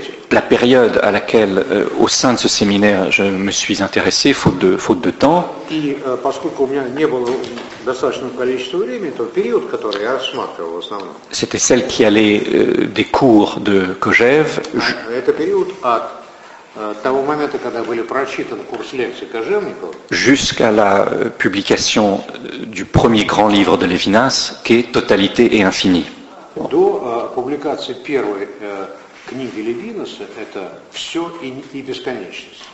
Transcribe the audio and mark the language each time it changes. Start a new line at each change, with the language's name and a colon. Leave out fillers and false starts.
French: La période à laquelle, au sein de ce séminaire, je me suis intéressé, faute de temps. Et parce que je n'avais pas beaucoup de temps, cette période que j'ai rassemblée, en
Russian: основном.
French: C'était celle qui allait des cours de Kojève. Cette période a.
Russian: Того момента, когда были прочитаны курс лекций Кожевникова,
French: jusqu'à la publication du premier grand livre de Lévinas, qui est Totalité et Infini.
Russian: До публикации первой книги Левинаса, это «Все и бесконечность».